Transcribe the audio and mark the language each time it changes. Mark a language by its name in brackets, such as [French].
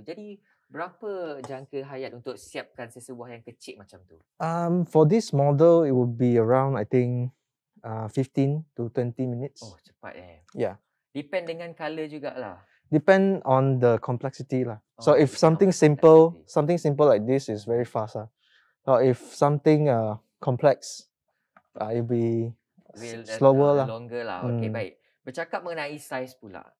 [Malay] Jadi, berapa jangka hayat untuk siapkan sesebuah yang kecil macam tu? [English] For this model, it would be around, I think, 15 to 20 minutes. [Malay] Oh, cepat eh. Yeah. Depend dengan color jugalah. [English] Depend on the complexity lah. Oh, so if something simple, complexity. Something simple like this is very fast. So if something complex, it'll be slower lah. Longer lah. Okay, [Malay] baik. Bercakap mengenai size pula.